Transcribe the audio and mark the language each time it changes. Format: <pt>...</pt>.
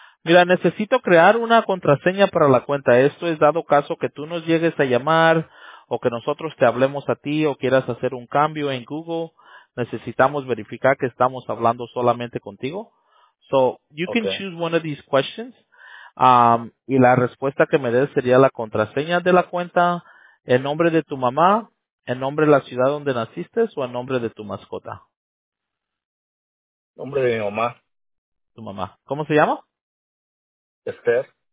<es>Mira, necesito crear una contraseña para la cuenta. Esto es dado caso que tú nos llegues a llamar o que nosotros te hablemos a ti o quieras hacer un cambio en Google. Necesitamos verificar que estamos hablando solamente contigo.</es> <en>So, you can choose one of these questions.</en> <es>Y la respuesta que me des sería la contraseña de la cuenta, el nombre de tu mamá, el nombre de la ciudad donde naciste o el nombre de tu mascota. Nombre de mi mamá. Tu mamá. ¿Cómo se llama? Esther.</es>